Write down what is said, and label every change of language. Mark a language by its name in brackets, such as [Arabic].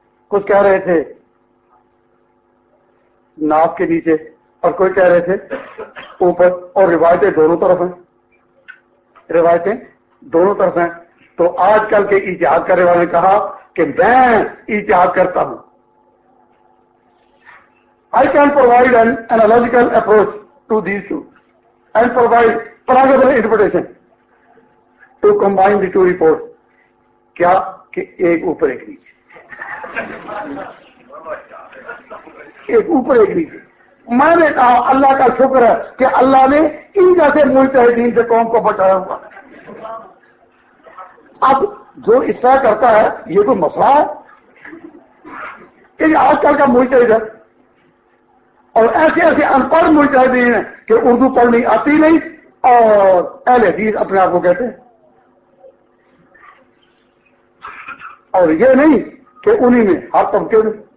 [Urdu] کچھ کہہ رہے تھے ناف کے نیچے اور کوئی کہہ رہے تھے اوپر, اور روایتیں دونوں طرف ہیں, روایتیں دونوں طرف ہیں. تو آج کل کے اجتہاد کرنے والے نے کہا کہ میں اجتہاد کرتا ہوں. [English] I can provide an analogical approach to these two and provide plausible interpretation to combine the two reports. [Urdu] کیا کہ ایک اوپر ایک نیچے, ایک اوپر ایک نیچے. میں نے کہا اللہ کا شکر ہے کہ اللہ نے ان جیسے مجتہدین سے قوم کو بچایا ہوا. اب جو اس طرح کرتا ہے یہ کوئی مسئلہ ہے کہ آج کل کا مجتہد ہے, اور ایسے ایسے ان پڑھ مجتہدین ہیں کہ اردو پڑھنی آتی نہیں اور اہل حدیث اپنے آپ کو کہتے ہیں, اور یہ نہیں کہ انہی میں ہر طبقے میں.